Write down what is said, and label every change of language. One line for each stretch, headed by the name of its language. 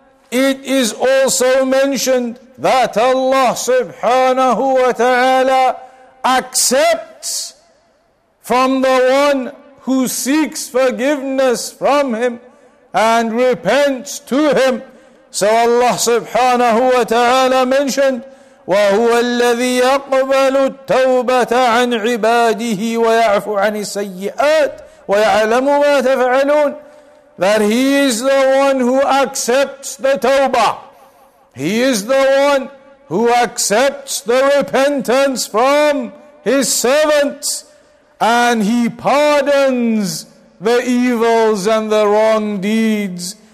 English: it is also mentioned that Allah subhanahu wa ta'ala accepts from the one who seeks forgiveness from him and repents to him. So Allah subhanahu wa ta'ala mentioned,
Arabic: وَهُوَ الَّذِي يَقْبَلُ التَّوْبَةَ عَنْ عِبَادِهِ وَيَعْفُ عَنِ السَّيِّئَاتِ وَيَعْلَمُ مَا تَفْعَلُونَ.
English: That he is the one who accepts the tawbah. He is the one who accepts the repentance from his servants. And he pardons the evils and the wrong deeds.